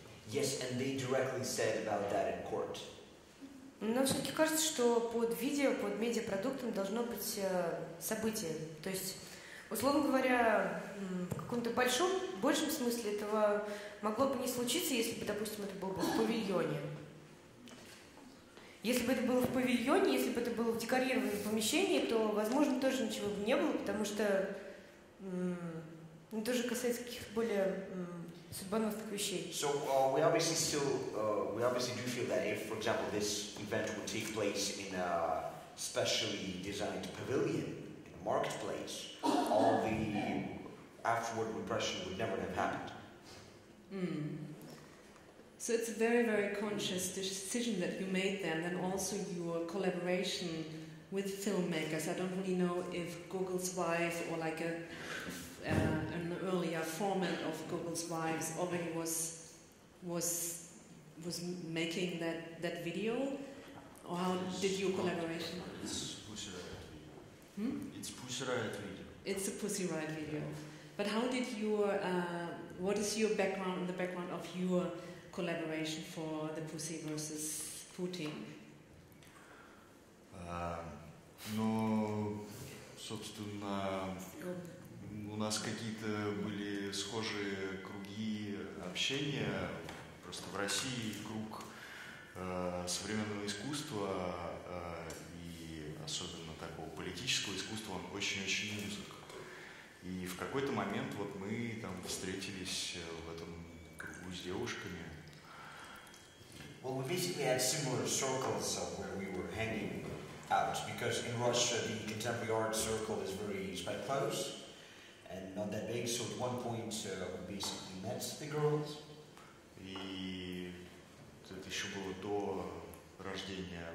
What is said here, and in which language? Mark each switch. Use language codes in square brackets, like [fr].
[en] Yes, and they directly said about that in court. [ru] Но все-таки кажется, что под видео, под медиапродуктом должно быть событие. То есть, условно говоря, в каком-то большом, большем смысле этого могло бы не случиться, если бы, допустим, это было бы в павильоне. Если бы это было в павильоне, если бы это было в декорированном помещении, то, возможно, тоже ничего бы не было, потому что это же касается каких-то более судьбоносных вещей. [en] So we obviously still, we obviously do feel that if, for example, this event would take place in a specially designed pavilion, in a marketplace, all the afterward repression would never have happened. So it's a very, very conscious decision that you made then, and also your collaboration with filmmakers. I don't really know if Google's Wife or like an earlier format of Google's Wife already was making that video, or how did your collaboration? It's Pussy Riot video. It's Pussy Riot video. It's a Pussy Riot video. But how did your what is your background and the background of your collaboration for the Pussy versus Putin? [ru] Ну, собственно, у нас какие-то были схожие круги общения, просто в России круг современного искусства и особенно такого политического искусства, он очень-очень узок. И в какой-то момент вот мы там встретились в этом кругу с девушками. [en] Well, we basically had similar circles of where we were hanging out, because in Russia the contemporary art circle is very, it's quite close and not that big, so at one point we basically met the girls. [ru] И это еще было до рождения